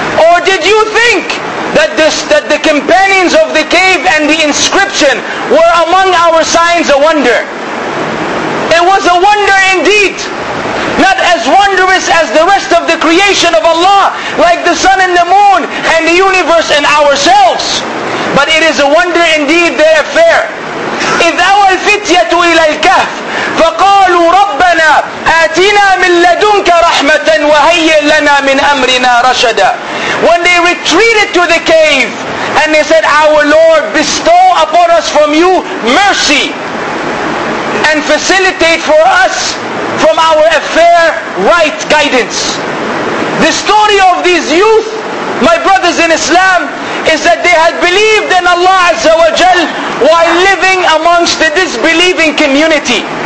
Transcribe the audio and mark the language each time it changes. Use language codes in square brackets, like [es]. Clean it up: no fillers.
[en] Or did you think that the companions of the cave and the inscription were among our signs a wonder? It was a wonder indeed. Not as wondrous as the rest of the creation of Allah, like the sun and the moon and the universe and ourselves. But it is a wonder indeed, their affair. [ar] إذ أوى الفتية إلى الكهف فقالوا ربنا آتنا من لدنك رحمة وهيئ لنا من أمرنا رشدا. [en] When they retreated to the cave and they said, our Lord, bestow upon us from you mercy and facilitate for us from our affair right guidance. The story of these youth, my brothers in Islam, is that they had believed in Allah Azza wa Jal while living amongst the disbelieving community.